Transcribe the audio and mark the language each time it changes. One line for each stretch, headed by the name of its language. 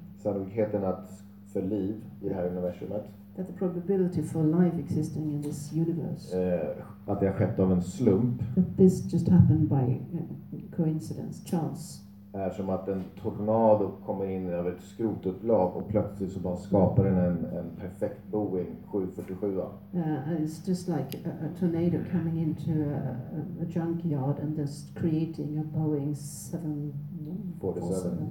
Swedish: sannolikheten att för liv i det här universumet,
English: that the probability for life existing in this universe,
Swedish: att det har skett av en slump,
English: that this just happened by coincidence, chance,
Swedish: är som att en tornado kommer in över ett skrotupplag och plötsligt så bara skapar den en perfekt Boeing 747.
English: It's just like a tornado coming into a junkyard and just creating a Boeing 747.